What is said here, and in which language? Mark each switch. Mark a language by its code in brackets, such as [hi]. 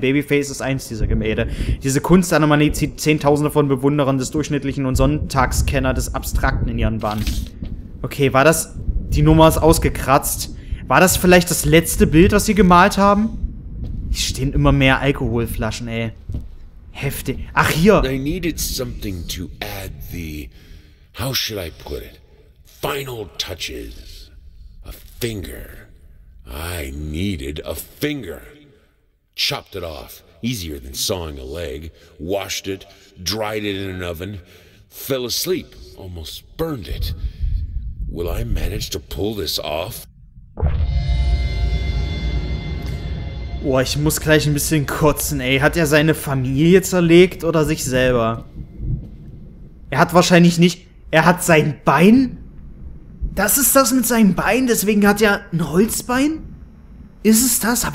[de] Babyface ist eins dieser Gemälde. Diese Kunstanomalie zieht Zehntausende von Bewunderern des durchschnittlichen und Sonntagskenner des Abstrakten in ihren Bann. Okay, war das... Die Nummer ist ausgekratzt. War das vielleicht das letzte Bild, was sie gemalt haben? Hier stehen immer mehr Alkoholflaschen, ey. Heftig. Ach, hier! [en] I needed something to add the... How should I put it? Final touches. A finger. I needed a finger. Chopped it off. Easier than sawing a leg. Washed it. Dried it in an oven. Fell asleep. Almost burned it. Will I manage to pull this off? [de] Boah, ich muss gleich ein bisschen kotzen, ey. Hat er seine Familie zerlegt oder sich selber? Er hat wahrscheinlich nicht... Er hat sein Bein? Das ist das mit seinem Bein? Deswegen hat er ein Holzbein? Ist es das?